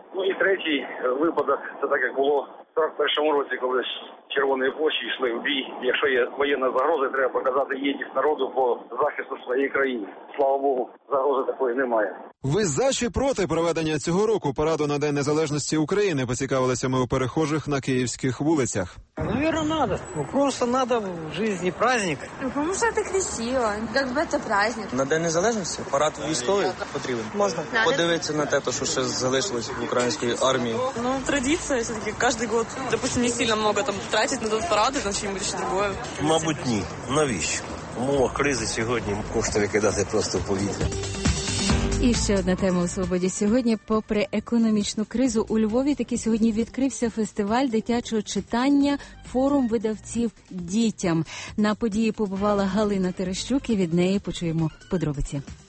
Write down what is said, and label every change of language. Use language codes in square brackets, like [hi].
[uk] Ну і третій випадок, це так, як було в 41-му році, коли червоні площі йшли в бій. Якщо є воєнна загроза, треба показати єдність народу по захисту своєї країни. Слава Богу, загрози такої немає. Ви за чи проти проведення цього року параду на День Незалежності України? Поцікавилися ми у перехожих на київських вулицях. [ru] Наверное, надо. Ну, просто надо в жизни праздник. Ну, потому что это красиво. Как бы это праздник. [uk] На День Незалежності парад військовий потрібен. [ru] Можно. [uk] Подивитися на те, що ще залишилось в українській армії. Ну, традиція все-таки. [ru] Каждый год, допустим, не сильно много там тратить на тут паради, на чим-нибудь ще другое. [uk] Мабуть, ні. Навіщо? В умовах кризи сьогодні кошти викидати просто в повітря. І ще одна тема у «Свободі» сьогодні. Попри економічну кризу у Львові, таки сьогодні відкрився фестиваль дитячого читання «Форум видавців дітям». На події побувала Галина Терещук, і від неї почуємо подробиці.